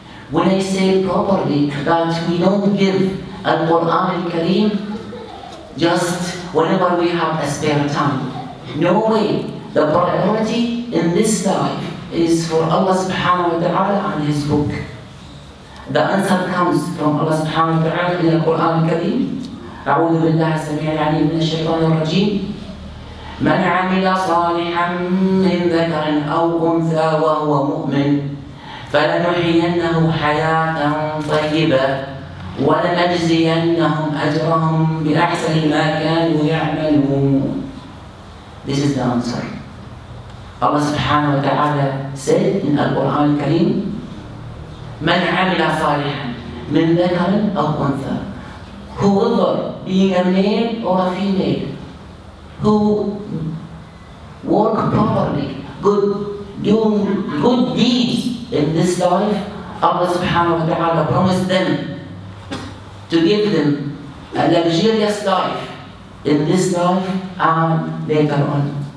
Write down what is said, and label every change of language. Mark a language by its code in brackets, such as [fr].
[en] When I say properly, that we don't give Al-Qur'an Al-Kareem just whenever we have a spare time. No way. The priority in this life is for Allah subhanahu wa ta'ala and His book. The answer comes from Allah subhanahu wa ta'ala in Al-Qur'an Al-Kareem. [ar] أعوذ بالله السميع العليم من الشيطان الرجيم. من عمل صالحا من ذكر أو أنثى وهو مؤمن فلنحيينه حياة طيبة ولنجزينهم أجرهم بأحسن ما كانوا يعملون. [en] This is the answer. Allah [ar] سبحانه وتعالى [en] said in Al-Quran Al-Kareem, [ar] من عمل صالحا من ذكر أو أنثى. [en] Whoever being a male or a female, who work properly, doing good deeds in this life, Allah subhanahu wa ta'ala promised them to give them a luxurious life in this life and later on.